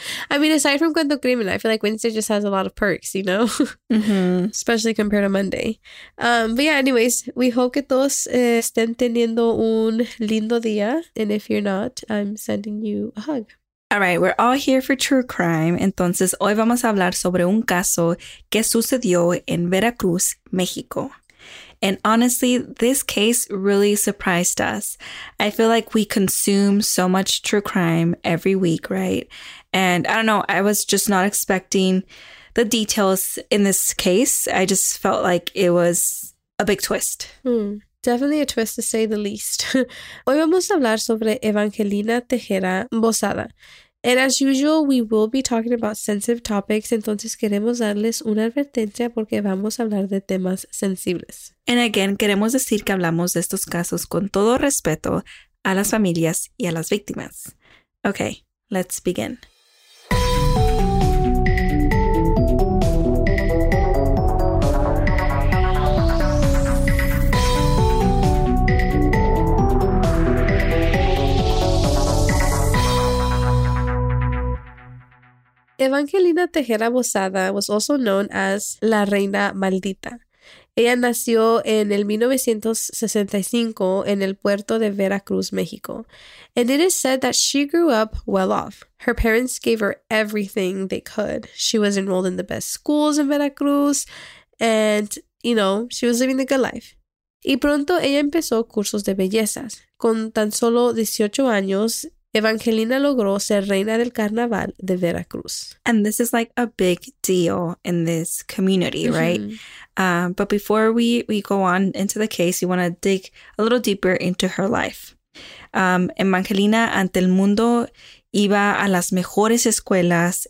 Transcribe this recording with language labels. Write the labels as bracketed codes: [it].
[en] I mean, aside from Cuento Crimen, I feel like Wednesday just has a lot of perks, you know, mm-hmm. especially compared to Monday. But yeah, anyways, we hope [es] que todos estén teniendo un lindo día. [en] And if you're not, I'm sending you a hug. All right, we're all here for true crime. [es] Entonces, hoy vamos a hablar sobre un caso que sucedió en Veracruz, México. [en] And honestly, this case really surprised us. I feel like we consume so much true crime every week, right? And I don't know, I was just not expecting the details in this case. I just felt like it was a big twist. Definitely a twist to say the least. [es] Hoy vamos a hablar sobre Evangelina Tejera Bozada. [en] And as usual, we will be talking about sensitive topics. [es] Entonces queremos darles una advertencia porque vamos a hablar de temas sensibles. [en] And again, [es] queremos decir que hablamos de estos casos con todo respeto a las familias y a las víctimas. [en] Okay, let's begin. Evangelina Tejera Bozada was also known as La Reina Maldita. [es] Ella nació en el 1965 en el puerto de Veracruz, México. [en] And it is said that she grew up well off. Her parents gave her everything they could. She was enrolled in the best schools in Veracruz and, you know, she was living the good life. [es] Y pronto ella empezó cursos de bellezas. Con tan solo 18 años, Evangelina logró ser reina del carnaval de Veracruz. [en] And this is like a big deal in this community, mm-hmm. right? But before we go on into the case, we want to dig a little deeper into her life. [es] Evangelina ante el mundo iba a las mejores escuelas.